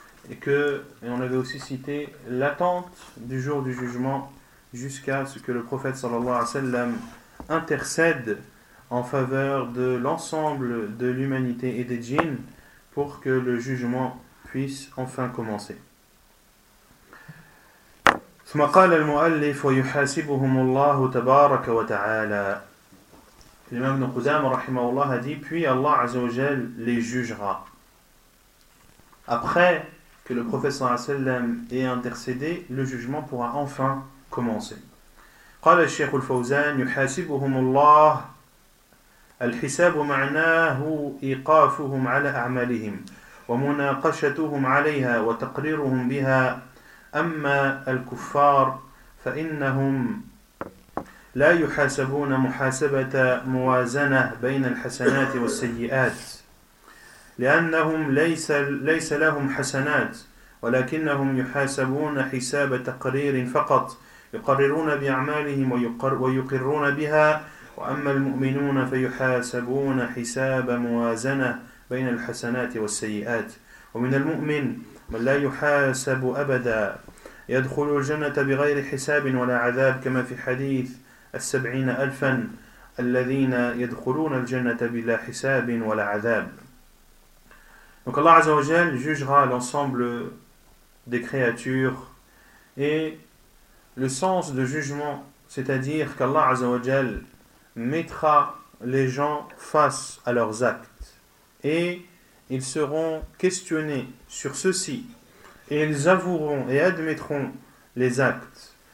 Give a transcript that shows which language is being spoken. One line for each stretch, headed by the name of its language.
French: Et on avait aussi cité l'attente du jour du jugement jusqu'à ce que le prophète sallallahu alayhi wa sallam intercède en faveur de l'ensemble de l'humanité et des djinns pour que le jugement puisse enfin commencer.
Arabic: ثم قال المؤلف ويحاسبهم الله تبارك وتعالى.
French: L'imam Ibn Qudam rahimahullah a dit: puis Allah azza wa jalla les jugera. Après que le prophète sallallahu alayhi wa sallam ait intercédé, le jugement pourra enfin commencer.
Arabic: قال الشيخ الفوزان يحاسبهم الله الحساب معناه إيقافهم على أعمالهم ومناقشتهم عليها وتقريرهم بها. أما الكفار فإنهم لا يحاسبون محاسبة موازنة بين الحسنات والسيئات، لأنهم ليس لهم حسنات، ولكنهم يحاسبون حساب تقرير فقط، يقررون بأعمالهم ويقرون بها. وأما المؤمنون فيحاسبون حساب موازنة بين الحسنات والسيئات. ومن المؤمن من لا يحاسب أبدا، يدخل الجنة بغير حساب ولا عذاب، كما في حديث 70,000 الذين يدخلون الجنة بلا حساب ولا عذاب.
French: Donc Allah Azza wa Jal jugera l'ensemble des créatures, et le sens de jugement, c'est-à-dire qu'Allah Azza wa Jal mettra les gens face à leurs actes et ils seront questionnés sur ceux-ci et ils avoueront et admettront les actes.